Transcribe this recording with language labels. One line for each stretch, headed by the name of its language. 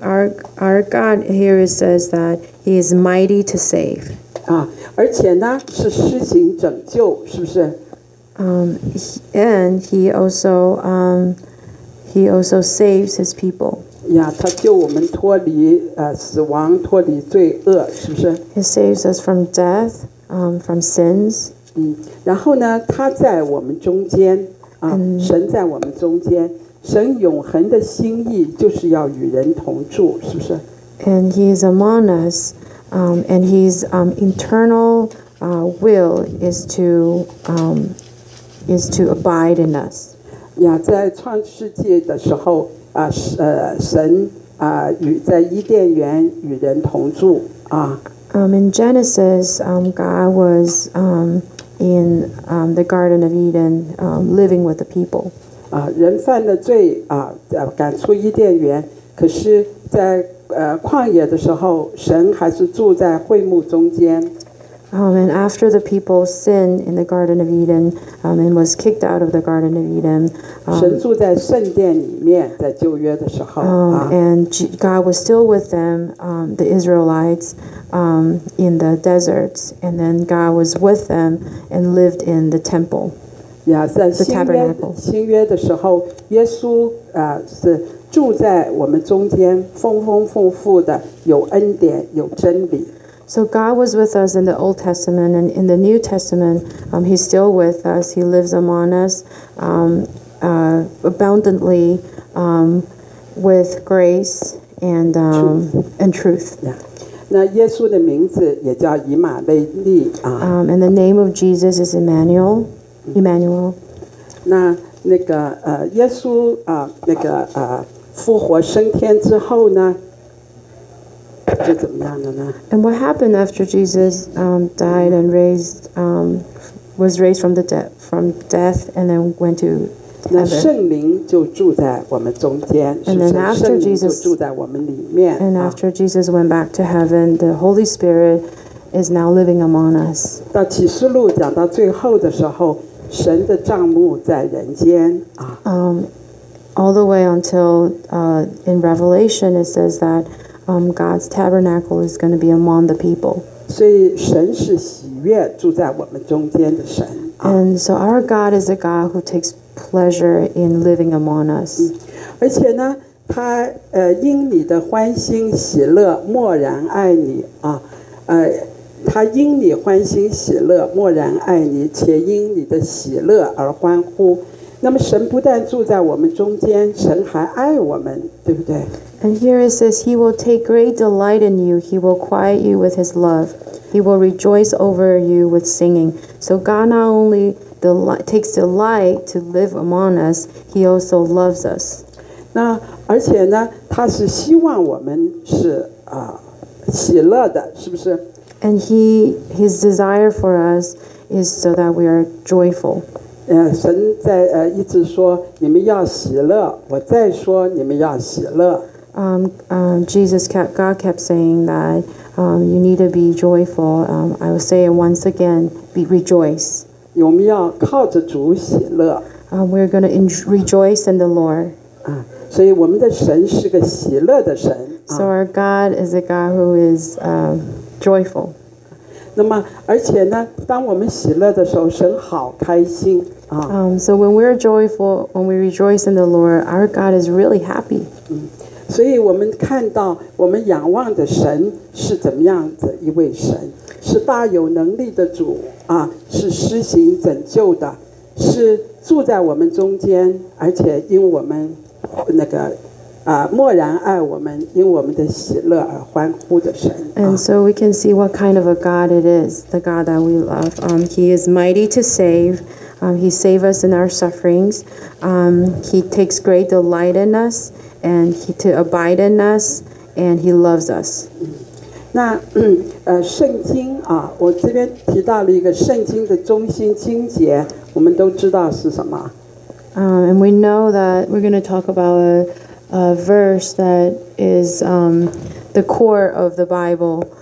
English: Our God here it says that He is mighty to save.
Chinese: 啊，而且呢是施行拯救，是不是？
English: And he also saves His people.
Chinese: Yeah, 他救我们脱离死亡，脱离罪恶，是不是
English: ？He saves us from death, from sins.
Chinese: 嗯，然后呢，他在我们中间啊，神在我们中间。神永恒的心意就是要与人同住，是不是
English: ？And he is among us, and his internal will is to abide in us.
Chinese: 呀，在创世纪的时候啊，神啊与在伊甸园与人同住啊。
English: In Genesis, God was in the Garden of Eden, living with the people.
Chinese: 啊，人犯了罪啊，赶出伊甸园。可是在，在旷野的时候，神还是住在会幕中间。
English: And after the people sinned in the Garden of Eden, and was kicked out of the Garden of Eden,
Chinese: 神住在圣殿里面，在旧约的时候。
English: And God was still with them, the Israelites, in the deserts, and then God was with them and lived in the temple.
Chinese: 呀、yeah, ，在新约的时候，耶稣啊、是住在我们中间，丰丰富富的，有恩典，有真理。
English: So God was with us in the Old Testament, and in the New Testament, He's still with us. He lives among us, abundantly, with grace and truth. Yeah.
Chinese: 那耶稣的名字也叫以马内利啊。
English: And the name of Jesus is Emmanuel. Emmanuel.
Chinese: 那个耶稣啊，那个复活升天之后呢，就怎么样了呢
English: ？And what happened after Jesus died and raised was raised from the dead from death and then went to heaven.
Chinese: 那圣灵就住在我们中间。
English: And then after Jesus
Chinese: 就住在我们里面。
English: And after Jesus went back to heaven, the Holy Spirit is now living among us.
Chinese: 到启示录讲到最后的时候。神的帐幕在人间啊。
English: All the way until in Revelation it says that God's tabernacle is going to be among the people.
Chinese: 所以神是喜悦住在我们中间的神。
English: And so our God is a God who takes pleasure in living among us.
Chinese: 而且呢，他因你的欢欣喜乐，默然爱你啊，他因你欢欣喜乐，默然爱你，且因你的喜乐而欢呼。那么神不但住在我们中间，神还爱我们，对不对
English: And here it says, He will take great delight in you. He will quiet you with His love. He will rejoice over you with singing. So God not only takes delight to live among us, He also loves us.
Chinese: 那而且呢，他是希望我们是啊喜乐的，是不是
English: ？And his desire for us is so that we are joyful.
Chinese: 神在一直说你们要喜乐，我再说你们要喜乐。
English: God kept saying that you need to be joyful. I will say it once again, rejoice.
Chinese: 我们要靠着主喜乐。
English: We're going to rejoice in the Lord.
Chinese: 所以我们的神是个喜乐的神。
English: So our God is a God who is joyful.
Chinese: 那么而且呢，当我们喜乐的时候，神好开心。
English: So when we're joyful, when we rejoice in the Lord, our God is really happy.
Chinese: 所以我们看到我们仰望的神是怎么样子一位神，是大有能力的主啊，是施行拯救的，是住在我们中间，而且因我们那个啊默然爱我们，因我们的喜乐而欢呼的神。
English: And so we can see what kind of a God it is, the God that we love. He is mighty to save. He saves us in our sufferings. He takes great delight in us. And he to abide in us, and he loves us.
Chinese: 那圣经啊，我这边提到了一个圣经的中心经节，我们都知道是什么。
English: And we know that we're going to talk about a verse that is the core of the Bible.